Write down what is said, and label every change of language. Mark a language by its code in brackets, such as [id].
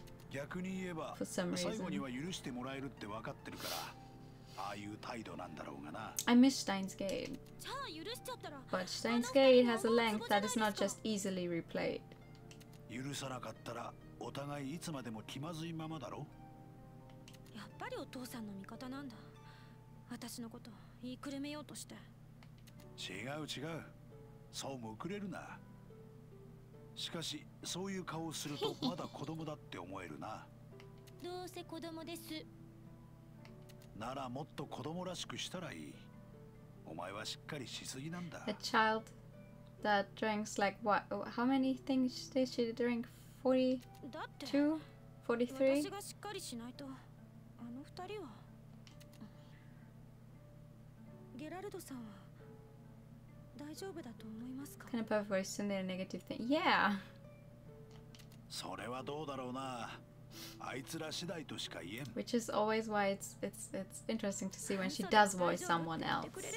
[ja] 逆に言えば、最後には許してもらえるって分かってるから、ああいう態度なんだろうがな。 [en] I miss Steins Gate. But Steins Gate has a length that is not just easily replayed. [ja] 許さなかったら、お互いいつまでも気まずいままだろ？やっぱりお父さんの味方なんだ。私のこと言いくるめようとして。違う違う。そうもくれるな。しかし、そういう顔をするとまだ子供だって思えるな。どうせ子供です。ならもっと子供らしくしたらいい。お前はしっかりしすぎなんだ。 [en] A child that drinks like what? How many things did she drink? 42? 43? [ja] 私がしっかりしないと、あの二人は。ゲラルドさんは。 [en] Kind of perverse in their negative thing. Yeah. [ja] それはどうだろうな。あいつら次第としか言えん。 [en] Which is always why it's interesting to see when she does voice someone else.